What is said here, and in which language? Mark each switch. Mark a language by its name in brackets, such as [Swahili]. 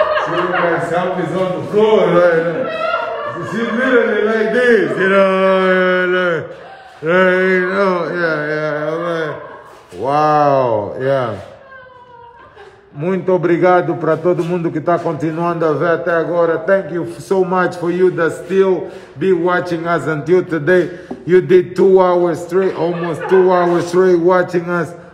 [English] You look like something's on the floor, right? She's literally like this, you know. Like, you know, yeah, yeah, I'm like, wow, yeah. [Portuguese] Muito obrigado para todo mundo que está continuando a ver até agora. [English] Thank you so much for you that still be watching us until today. You did 2 hours straight, almost 2 hours straight watching us.